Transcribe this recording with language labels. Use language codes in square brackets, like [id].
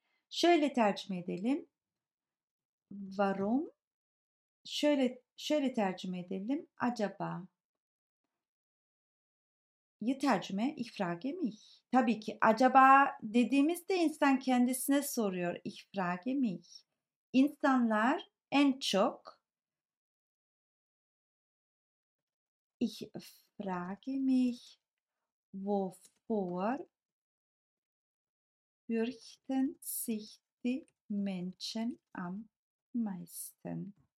[tr] Şöyle tercüme edelim. Warum? Şöyle Şöyle tercüme edelim. Acaba. Ya tercüme [de] ich frage mich. [tr] Tabii ki acaba dediğimizde insan kendisine soruyor. [de] Ich frage mich. [tr] İnsanlar en çok [de] ich frage mich wovor fürchten sich die Menschen am meisten.